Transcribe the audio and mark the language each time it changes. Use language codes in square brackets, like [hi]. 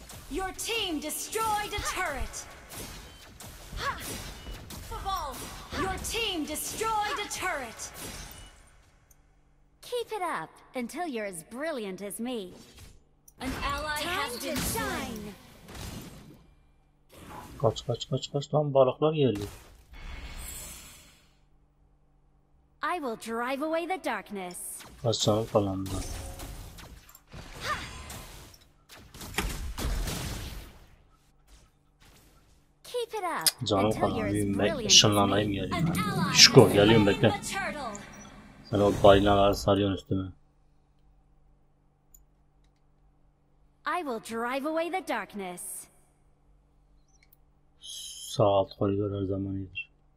[en] Your team destroyed a turret. Football. Your team destroyed a turret. Keep it up until you're as brilliant as me. An ally has to shine. [tr] Kaç kaç kaç kaç lan balıklar geliyor. [en] I will drive away the darkness. [tr] Kaçalım falan da. [en] Keep it up. [tr] Canım falan büyüyüm ben ışınlanayım geliyorum. Şuko geliyorum bekle. Sen o baynaları sarıyorsun üstüme. [en] I will drive away the darkness. [tr] Sağ alt koridor her zaman iyidir.